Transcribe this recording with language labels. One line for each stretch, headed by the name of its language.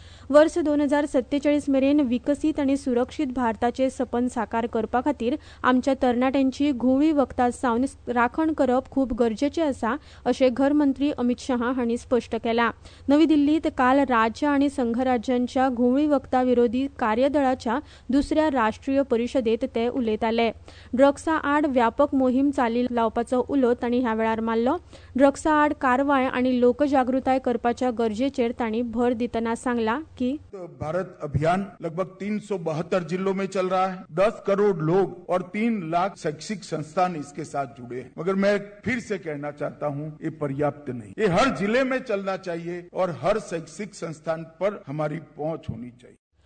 Goan Konkani: वर्स 2047 मेरेन विकसीत आनी सुरक्षीत भारताचे सपन साकार करपा खातीर आमच्या तरणाट्यांची घुंवळी वखदा सावन राखण करप खूप गरजेचे आसा अशें घर मंत्री अमित शहा हांणी स्पष्ट केला. नवी दिल्लीत काल राज्य आनी संघराज्यांच्या घुंवळी वखदा विरोधी कार्यदळाच्या 2ऱ्या राष्ट्रीय परिषदेत ते उलयताले. ड्रग्सा आड व्यापक मोहीम चाली लावपाचो उलो तांणी ह्या वेळार मारलो. ड्रग्सा आड कारवाय आनी लोकजागृताय करपाच्या गरजेचेर तांणी भर दितना सांगला.
Hindi: भारत अभियान लगभग 372 जिलों में चल रहा है. 10 करोड़ लोग और 3 लाख शैक्षिक संस्थान इसके साथ जुड़े हैं. मगर मैं फिर से कहना चाहता हूं, ये पर्याप्त नहीं. ये हर जिले में चलना चाहिए और हर शैक्षिक संस्थान पर हमारी पहुंच होनी चाहिए.